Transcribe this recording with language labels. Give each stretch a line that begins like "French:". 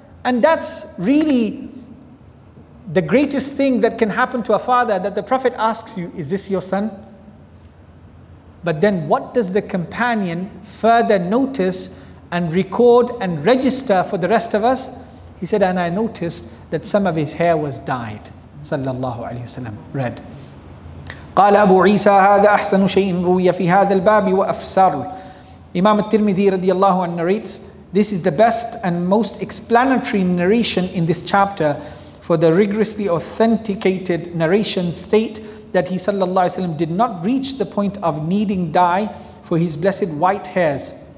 English: And that's really the greatest thing that can happen to a father, that the Prophet asks you, is this your son? But then what does the companion further notice and record and register for the rest of us? He said, and I noticed that some of his hair was dyed, sallallahu alayhi wa sallam, red.
Arabic: قال أبو عيسى هذا أحسن شيء روي في هذا الباب وأفسر.
English: Imam al-Tirmidhi radiallahu anhu narrates, this is the best and most explanatory narration in this chapter, for the rigorously authenticated narrations state that he sallallahu alayhi wa sallam did not reach the point of needing dye for his blessed white hairs.